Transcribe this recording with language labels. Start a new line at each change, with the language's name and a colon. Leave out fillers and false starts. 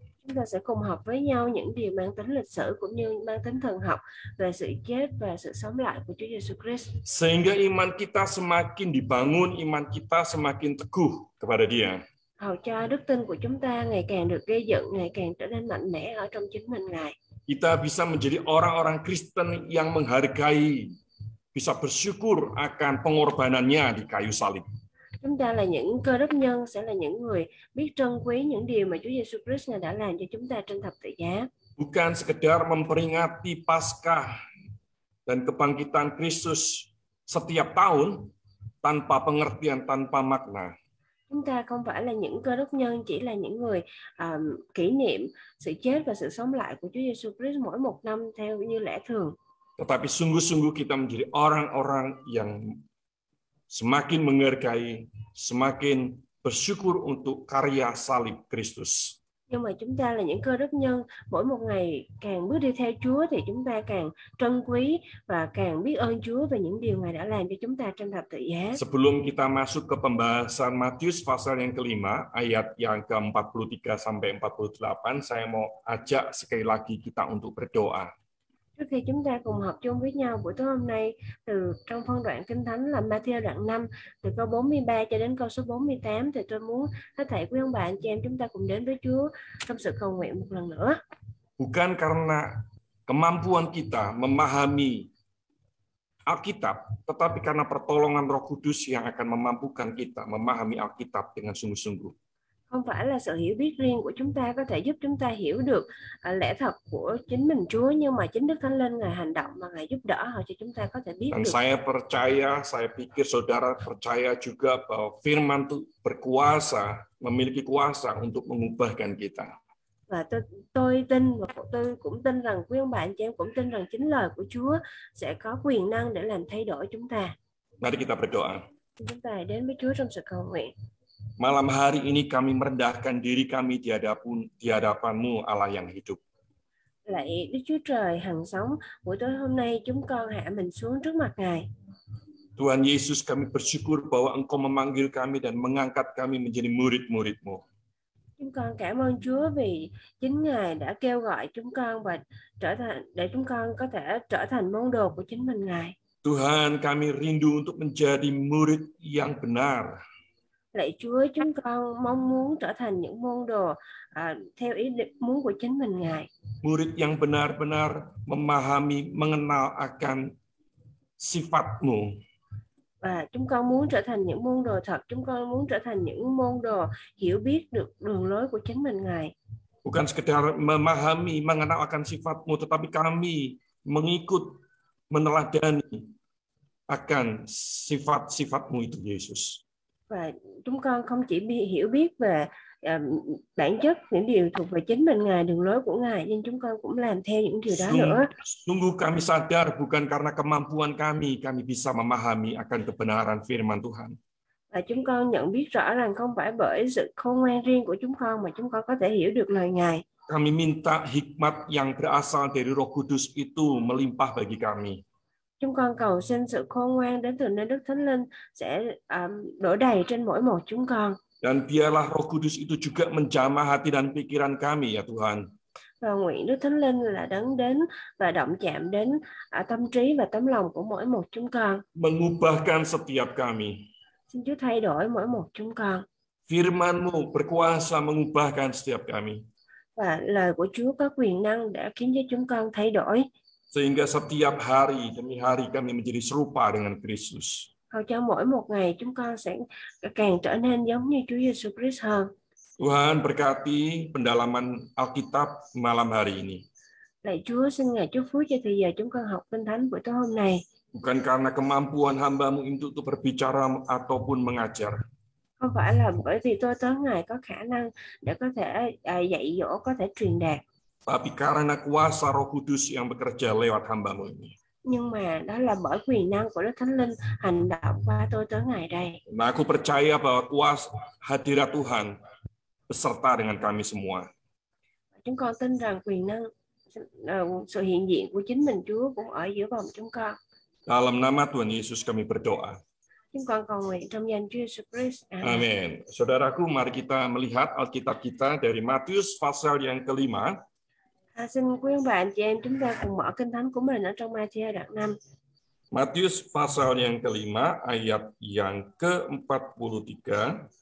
Vietnamese: Chúng ta sẽ cùng học với nhau những điều mang tính lịch sử cũng như mang tính thần học về sự chết và sự sống lại của Chúa Giêsu Christ.
Indonesian: Sehingga iman kita semakin dibangun, iman kita semakin teguh kepada Dia.
Vietnamese: Hầu cho đức tin của chúng ta ngày càng được gây dựng, ngày càng trở nên mạnh mẽ ở trong chính mình Ngài.
Indonesian: Kita bisa menjadi orang-orang Kristen yang menghargai, bisa bersyukur akan pengorbanannya di kayu salib.
Vietnamese: Chúng ta là những cơ đốc nhân, sẽ là những người biết trân quý những điều mà Chúa Giêsu Christ đã làm cho chúng ta trên thập tự giá.
Indonesian: Bukan sekedar memperingati Paskah dan kebangkitan Kristus setiap tahun tanpa pengertian, tanpa makna.
Vietnamese: Chúng ta không phải là những cơ đốc nhân, chỉ là những người kỷ niệm sự chết và sự sống lại của Chúa Giêsu Christ mỗi một năm theo như lẽ thường.
Indonesian: Tetapi sungguh-sungguh kita menjadi orang-orang yang semakin menghargai, semakin bersyukur untuk karya salib Kristus.
Vietnamese: Nhưng mà chúng ta là những cơ đốc nhân, mỗi một ngày càng bước đi theo Chúa thì chúng ta càng trân quý và càng biết ơn Chúa về những điều Ngài đã làm cho chúng ta trên thập tự giá.
Indonesian: Sebelum kita masuk ke pembahasan Matius pasal yang kelima, ayat yang ke-43 sampai 48, saya mau ajak sekali lagi kita untuk berdoa.
Vietnamese: Trước khi chúng ta cùng học chung với nhau buổi tối hôm nay, từ trong phân đoạn Kinh Thánh là Matthew đoạn 5, từ câu 43 cho đến câu số 48, thì tôi muốn hết thảy quý ông bà anh chị em chúng ta cùng đến với Chúa trong sự cầu nguyện một lần nữa.
Indonesian: Bukan karena kemampuan kita memahami Alkitab, tetapi karena pertolongan Roh Kudus yang akan memampukan kita memahami Alkitab dengan sungguh-sungguh.
Vietnamese: Không phải là sự hiểu biết riêng của chúng ta có thể giúp chúng ta hiểu được lẽ thật của chính mình Chúa, nhưng mà chính Đức Thánh Linh Ngài hành động mà Ngài giúp đỡ họ cho chúng ta có thể biết
Indonesian: Dan
Vietnamese: được.
Indonesian: Saya percaya, saya pikir saudara percaya juga bahwa firman itu berkuasa, memiliki kuasa untuk mengubahkan kita.
Vietnamese: Và tôi tin và tôi cũng tin rằng quý ông bà anh chị em cũng tin rằng chính lời của Chúa sẽ có quyền năng để làm thay đổi chúng ta.
Indonesian: Mari kita berdoa.
Vietnamese: Chúng ta đến với Chúa trong sự cầu nguyện.
Indonesian: Malam hari ini kami merendahkan diri kami di hadapan-Mu Allah yang hidup.
Vietnamese: Lạy Đức Chúa Trời hằng sống, buổi tối hôm nay chúng con hạ mình xuống trước mặt Ngài.
Indonesian: Tuhan Yesus, kami bersyukur bahwa Engkau memanggil kami dan mengangkat kami menjadi murid-murid-Mu.
Vietnamese: Chúng con cảm ơn Chúa vì chính Ngài đã kêu gọi chúng con và trở thành để chúng con có thể trở thành môn đồ của chính mình Ngài.
Indonesian: Tuhan, kami rindu untuk menjadi murid yang benar.
Vietnamese: Lạy Chúa, chúng con mong muốn trở thành những môn đồ theo ý muốn của chính mình Ngài.
Indonesian: Murid yang benar-benar memahami, mengenal akan sifat-Mu.
Vietnamese: Và chúng con muốn trở thành những môn đồ thật, chúng con muốn trở thành những môn đồ hiểu biết được đường lối của chính mình Ngài.
Indonesian: Bukan sekedar memahami, mengenal akan sifat-Mu, tetapi kami mengikut, meneladani akan sifat-sifat-Mu itu, Yesus.
Vietnamese: Và chúng con không chỉ hiểu biết về bản chất những điều thuộc về chính mình Ngài, đường lối của Ngài, nhưng chúng con cũng làm theo những điều đó nữa.
Indonesian: Sungguh kami sadar bukan karena kemampuan kami, kami bisa memahami akan kebenaran firman Tuhan.
Vietnamese: Và chúng con nhận biết rõ rằng không phải bởi sự khôn ngoan riêng của chúng con mà chúng con có thể hiểu được lời Ngài.
Indonesian: Kami minta hikmat yang berasal dari Roh Kudus itu melimpah bagi kami.
Vietnamese: Chúng con cầu xin sự khôn ngoan đến từ nơi Đức Thánh Linh sẽ đổ đầy trên mỗi một chúng con.
Indonesian: Dan biarlah Roh Kudus itu juga menjamah hati dan pikiran kami, ya Tuhan.
Vietnamese: Và nguyện Đức Thánh Linh là đấng đến và động chạm đến tâm trí và tấm lòng của mỗi một chúng con.
Indonesian: Mengubahkan setiap kami.
Vietnamese: Xin Chúa thay đổi mỗi một chúng con.
Indonesian: Firman-Mu berkuasa mengubahkan setiap kami.
Vietnamese: Và lời của Chúa có quyền năng để khiến cho chúng con thay đổi.
Indonesian: Sehingga setiap hari demi hari kami menjadi serupa dengan Kristus.
Vietnamese: Hầu cho mỗi một ngày chúng con sẽ càng trở nên giống như Chúa Giêsu Christ hơn.
Indonesian: Tuhan, berkati pendalaman Alkitab malam hari ini.
Vietnamese: Lạy Chúa, xin Ngài chúc phước cho thời giờ chúng con học Kinh Thánh buổi tối hôm nay.
Indonesian: Bukan karena kemampuan hamba-Mu untuk berbicara ataupun mengajar.
Vietnamese: Không phải là bởi vì tôi tớ Ngài có khả năng để có thể dạy dỗ, có thể truyền đạt.
Indonesian: Tapi karena kuasa Roh Kudus yang bekerja lewat hamba-Mu ini.
Vietnamese: Nhưng mà đó là bởi quyền năng của Đức Thánh Linh hành động qua tôi tới ngày đây.
Indonesian: Mà aku percaya bahwa kuasa hadirat Tuhan beserta dengan kami semua.
Vietnamese: Chúng con tin rằng quyền năng sự hiện diện của chính mình Chúa cũng ở giữa vòng chúng con.
Indonesian: Dalam nama Tuhan Yesus kami berdoa.
Vietnamese: Chúng con cầu nguyện trong danh Chúa Jesus Christ.
Indonesian: Amen.
Vietnamese: Amen.
Indonesian: Saudaraku, mari kita melihat Alkitab kita dari Matius pasal yang kelima.
Vietnamese: Xin quý ông bà anh chị em chúng ta cùng mở Kinh Thánh của mình ở trong Matthew đoạn 5.
Indonesian: Matius pasal yang kelima ayat yang ke-43.